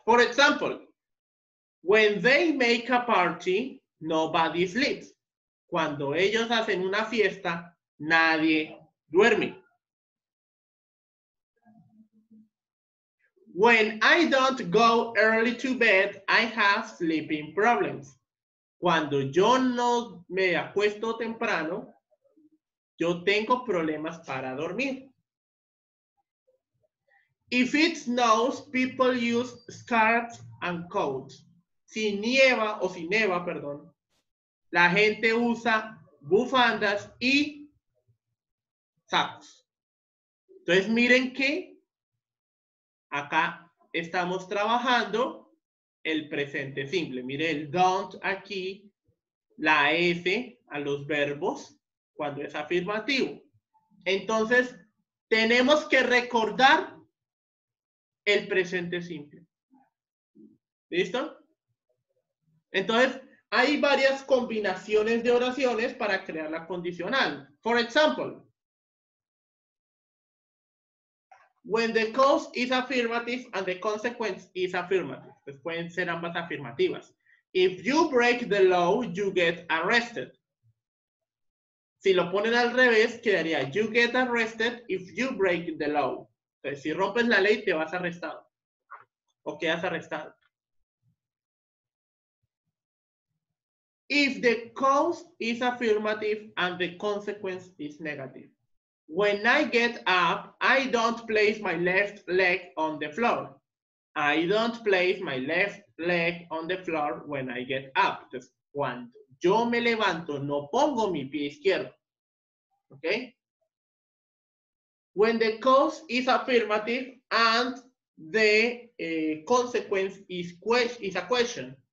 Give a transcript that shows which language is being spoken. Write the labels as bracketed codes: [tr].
[en] For example, when they make a party, nobody sleeps. [es] Cuando ellos hacen una fiesta, nadie duerme. [en] When I don't go early to bed, I have sleeping problems. [es] Cuando yo no me acuesto temprano, yo tengo problemas para dormir. [en] If it snows, people use scarves and coats. [es] Si nieva, la gente usa bufandas y sacos. Entonces, miren que acá estamos trabajando el presente simple. Mire el don't aquí, la F a los verbos cuando es afirmativo. Entonces, tenemos que recordar el presente simple. ¿Listo? Entonces, hay varias combinaciones de oraciones para crear la condicional. [en] For example, when the cause is affirmative and the consequence is affirmative. [es] Pues pueden ser ambas afirmativas. [en] If you break the law, you get arrested. [es] Si lo ponen al revés, quedaría [en] you get arrested if you break the law. [es] Entonces, si rompes la ley, te vas arrestado. O quedas arrestado. [en] If the cause is affirmative and the consequence is negative. When I get up, I don't place my left leg on the floor. I don't place my left leg on the floor when I get up. [es] Entonces, cuando yo me levanto, no pongo mi pie izquierdo. Okay? [en] When the cause is affirmative and the consequence is a question.